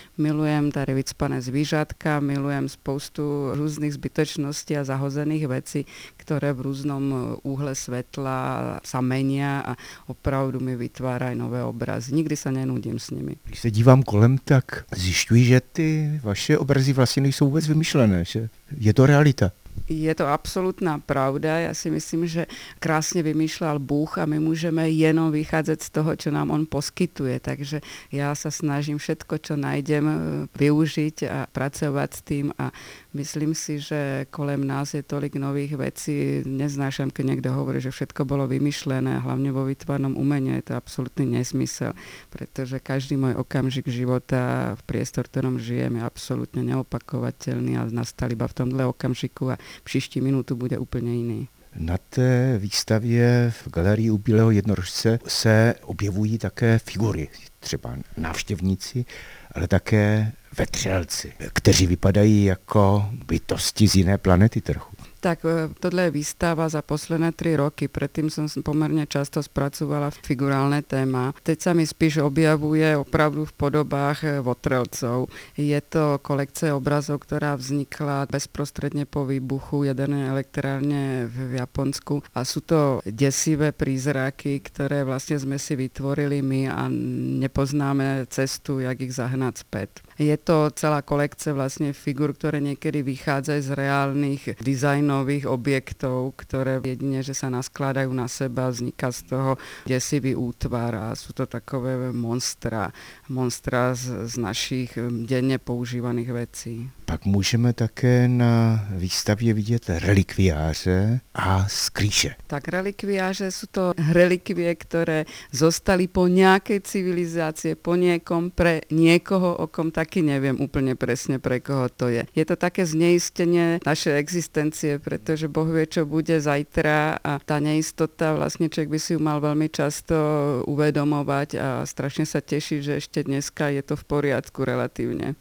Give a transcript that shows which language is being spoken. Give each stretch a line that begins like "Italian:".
Czech: Milujem tady vycpané zvířatka, milujem spoustu různých zbytečností a zahozených věcí, které v různom úhle světla sa mení a opravdu mi vytvárají nové obrazy. Nikdy se nenudím s nimi. Když se dívám kolem, tak zjišťuji, že ty vaše obrazy vlastně nejsou vůbec vymyšlené, že je to realita.
Slovak: Je to absolutná pravda. Ja si myslím, že krásne vymýšľal Búh a my môžeme jenom vychádzať z toho, čo nám on poskytuje. Takže ja sa snažím všetko, čo nájdem, využiť a pracovať s tým a myslím si, že kolem nás je tolik nových vecí. Neznášam, keď niekto hovorí, že všetko bolo vymyšlené, hlavne vo výtvarnom umení. Je to absolútny nesmysel, pretože každý môj okamžik života v priestor, ktorom žijem, je absolútne neopakovateľný a nastal iba
Czech: v tomhle okamžiku a příští minutu bude úplně jiný. Na té výstavě v galerii u Bílého jednorožce se objevují také figury, třeba návštěvníci, ale také vetřelci, kteří vypadají jako bytosti z jiné planety trochu.
Slovak: Tak tohle je výstava za posledné 3 roky. Predtým som pomerne často spracovala figurálne téma.
Czech: Teď sa mi spíš objavuje opravdu v podobách votrelcov.
Slovak: Je to kolekcia obrazov, ktorá vznikla bezprostredne po výbuchu jadernej elektrárne v Japonsku. A sú to desivé prízraky, ktoré vlastne sme si vytvorili my a nepoznáme cestu, jak ich zahnať späť. Je to celá kolekcia vlastne figur, ktoré niekedy vychádzajú z reálnych dizajn nových objektov, ktoré jedine, že sa naskladajú na seba, vzniká z toho desivý útvar a sú to takové monstra z našich denne používaných vecí. Pak môžeme také na výstavě vidieť relikviáře a skrýše. Tak relikviáře sú to relikvie, ktoré zostali po nejakej civilizácie, po niekom, pre niekoho, o kom taky neviem úplne presne, pre koho to je. Je to také zneistenie našej existencie, pretože Boh vie, čo bude zajtra a tá neistota, vlastne človek by si ju mal veľmi často uvedomovať a strašne sa teší, že ešte dneska je to v poriadku relatívne.